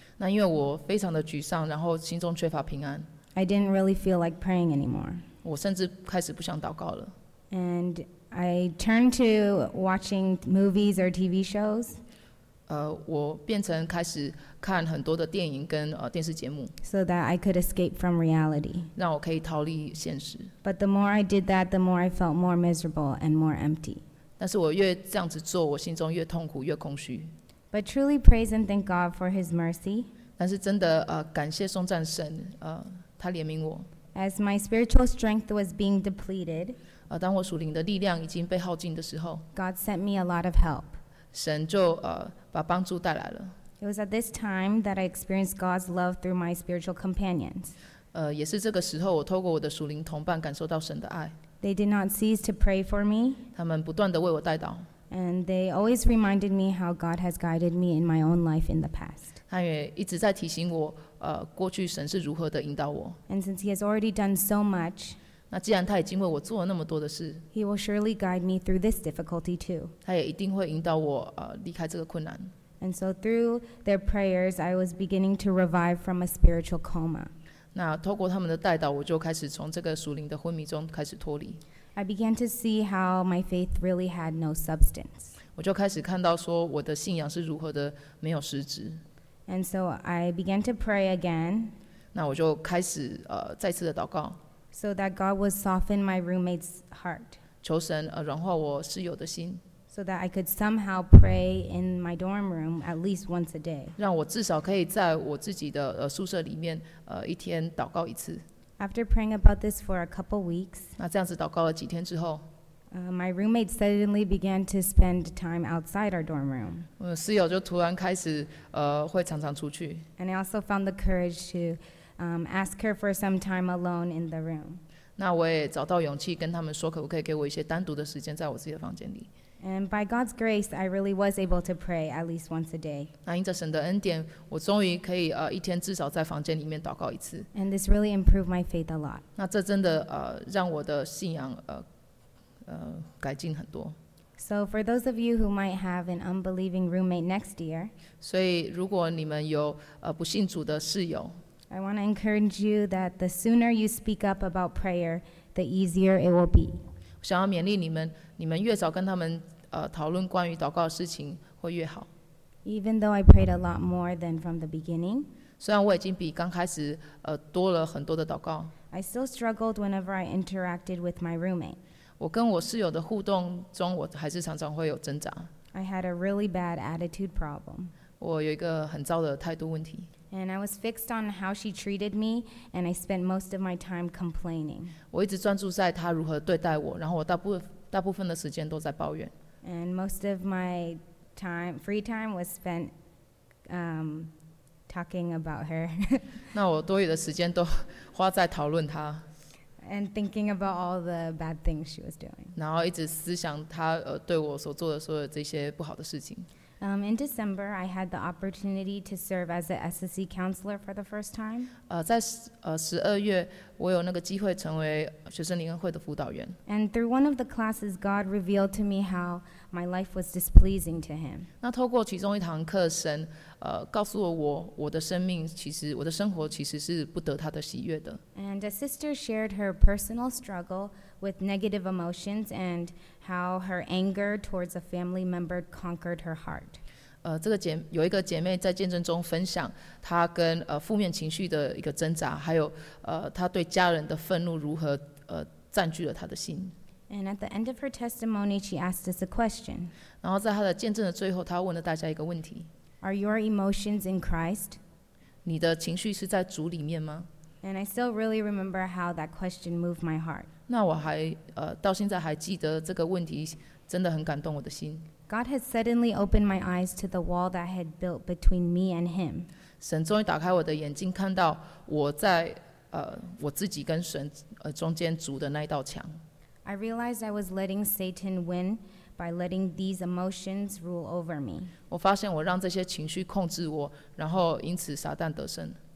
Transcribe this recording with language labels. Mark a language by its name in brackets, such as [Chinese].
[Chinese] 那因为我非常的沮丧，然后心中缺乏平安。 [English] I didn't really feel like praying anymore. [Chinese] 我甚至开始不想祷告了。 [English] And I turned to watching movies or TV shows. [Chinese] 我变成开始看很多的电影跟电视节目 [English] so that I could escape from reality. [Chinese] 让我可以逃离现实 [English] But the more I did that, the more I felt more miserable and more empty. [Chinese] 但是我越这样子做，我心中越痛苦，越空虚 [English] But truly praise and thank God for His mercy. [Chinese] 但是真的感谢颂赞神，他怜悯我 [English] As my spiritual strength was being depleted. [Chinese] 当我属灵的力量已经被耗尽的时候 [English] God sent me a lot of help. [Chinese] 神就把帮助带来了。 [English] It was at this time that I experienced God's love through my spiritual companions. [Chinese] 也是这个时候，我透过我的属灵同伴感受到神的爱。 [English] They did not cease to pray for me. [Chinese] 他们不断的为我代祷。 [English] And they always reminded me how God has guided me in my own life in the past. [Chinese] 他也一直在提醒我，过去神是如何的引导我。 [English] And since He has already done so much. [Chinese] 那既然他已经为我做了那么多的事 [English] He will surely guide me through this difficulty too. [Chinese] 他也一定会引导我离开这个困难。 [English] And so through their prayers, I was beginning to revive from a spiritual coma. [Chinese] 那透过他们的带导，我就开始从这个属灵的昏迷中开始脱离。 [English] I began to see how my faith really had no substance. [Chinese] 我就开始看到说我的信仰是如何的没有实质。 [English] And so I began to pray again. [Chinese] 那我就开始再次的祷告。 [English] So that God would soften my roommate's heart. [Chinese] 求神软化我室友的心。 [English] So that I could somehow pray in my dorm room at least once a day. [Chinese] 让我至少可以在我自己的宿舍里面一天祷告一次。 [English] After praying about this for a couple weeks, [Chinese] 那这样子祷告了几天之后 [English] my roommate suddenly began to spend time outside our dorm room. [Chinese] 室友就突然开始会常常出去。 [English] And I also found the courage to. Ask her for some time alone in the room. [Chinese] 那我也找到勇气跟他们说，可不可以给我一些单独的时间，在我自己的房间里。 [English] And by God's grace, I really was able to pray at least once a day. [Chinese] 那因着神的恩典，我终于可以一天至少在房间里面祷告一次。 [English] And this really improved my faith a lot. [Chinese] 那这真的让我的信仰改进很多。 [English] So for those of you who might have an unbelieving roommate next year, [Chinese] 所以如果你们有不信主的室友。 [English] I want to encourage you that the sooner you speak up about prayer, the easier it will be. [Chinese] 我想要勉励你们，你们越早跟他们讨论关于祷告的事情会越好。 [English] Even though I prayed a lot more than from the beginning, [Chinese] 虽然我已经比刚开始多了很多的祷告。 [English] I still struggled whenever I interacted with my roommate. [Chinese] 我跟我室友的互动中，我还是常常会有挣扎。 [English] I had a really bad attitude problem. [Chinese] 我有一个很糟的态度问题。 [English] And I was fixed on how she treated me, and I spent most of my time complaining. [Chinese] 我一直专注在她如何对待我，然后我大部分的时间都在抱怨。 [English] And most of my time, free time, was spent talking about her. [Chinese] 那我多余的时间都花在讨论她。 [English] And thinking about all the bad things she was doing. [Chinese] 然后一直思想她对我所做的所有这些不好的事情。 [English] In December, I had the opportunity to serve as an SSC counselor for the first time. [Chinese] 在12月，我有那个机会成为学生灵恩会的辅导员。 [English] And through one of the classes, God revealed to me how my life was displeasing to Him. [Chinese] 那透过其中一堂课，神告诉了我的生命其实我的生活其实是不得他的喜悦的。 [English] And a sister shared her personal struggle with negative emotions and how her anger towards a family member conquered her heart. [Chinese] 这个有一个姐妹在见证中分享她跟负面情绪的一个挣扎，还有她对家人的愤怒如何占据了她的心。 [English] And at the end of her testimony, she asked us a question. [Chinese] 然后在她的见证的最后，她问了大家一个问题。 [English] Are your emotions in Christ? [Chinese] 你的情绪是在主里面吗？ [English] And I still really remember how that question moved my heart. [Chinese] 那我还到现在还记得这个问题真的很感动我的心。 [English] God has suddenly opened my eyes to the wall that I had built between me and Him. [Chinese] 神终于打开我的眼睛，看到我在我自己跟神中间筑的那一道墙。 [English] I realized I was letting Satan win. By letting these emotions rule over me. [Chinese] 我发现我让这些情绪控制我，然后因此撒旦得胜。